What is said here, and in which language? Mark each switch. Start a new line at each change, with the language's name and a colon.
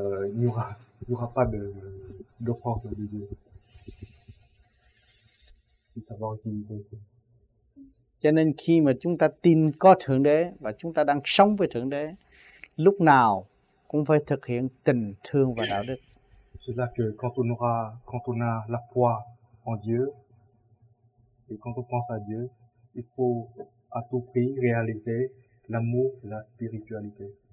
French: Il n'y aura pas de force de Dieu.
Vietnamese: Cho nên khi mà chúng ta tin có Thượng Đế và chúng ta đang sống với Thượng Đế, lúc nào cũng phải thực hiện tình thương và đạo đức.
French: C'est là que quand on a la foi en Dieu et quand on pense à Dieu, il faut à tout prix réaliser l'amour et la spiritualité.